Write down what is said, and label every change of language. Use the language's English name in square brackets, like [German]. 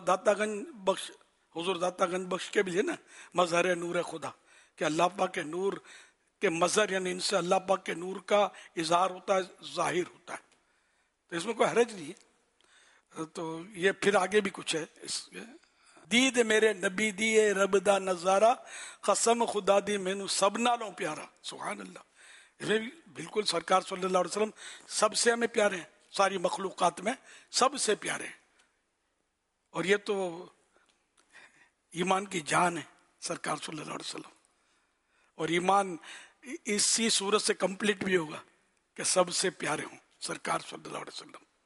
[Urdu] داتا گنج بخش, حضور داتا گنج بخش کے بھی ہے نا مظہر نور خدا, کہ اللہ پاک کے نور کے مظہر, یعنی ان سے اللہ پاک کے نور کا اظہار ہوتا ہے, ظاہر ہوتا ہے, تو اس میں کوئی حرج نہیں ہے. تو یہ پھر آگے بھی کچھ ہے اس کے. [Punjabi] دید میرے نبی دیے رب دا نظارہ قسم خدا دی مینو سب نالوں پیارا. [Urdu] سبحان اللہ. بالکل سرکار صلی اللہ علیہ وسلم سب سے ہمیں پیارے ہیں, ساری مخلوقات میں سب سے پیارے ہیں. اور یہ تو ایمان کی جان ہے سرکار صلی اللہ علیہ وسلم. اور ایمان اسی صورت سے کمپلیٹ بھی ہوگا کہ سب سے پیارے ہوں سرکار صلی اللہ علیہ وسلم.